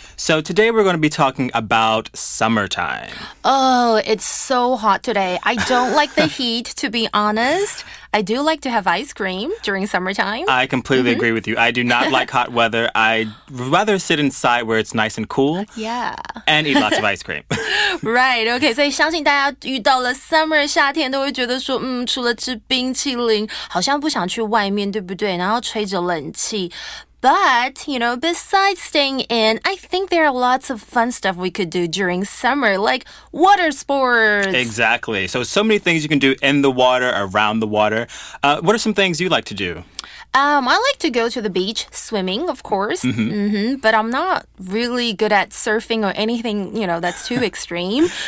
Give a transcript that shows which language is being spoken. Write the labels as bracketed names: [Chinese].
[English] So today we're going to be talking about summertime. Oh, it's so hot today. I don't like the heat, to be honest. I do like to have ice cream during summertime. I completely agree with you. I do not like hot weather. I'd rather sit inside where it's nice and cool. Yeah. And eat lots of ice cream. Right, okay. [Chinese] 所以相信大家遇到了 summer 夏天都会觉得说除了吃冰淇淋好像不想去外面对不对然后吹着冷气。 [English] But, you know, besides staying in, I think there are lots of fun stuff we could do during summer, like water sports. Exactly. So many things you can do in the water, around the water. What are some things you like to do? I like to go to the beach, swimming, of course. But I'm not really good at surfing or anything, you know, that's too extreme.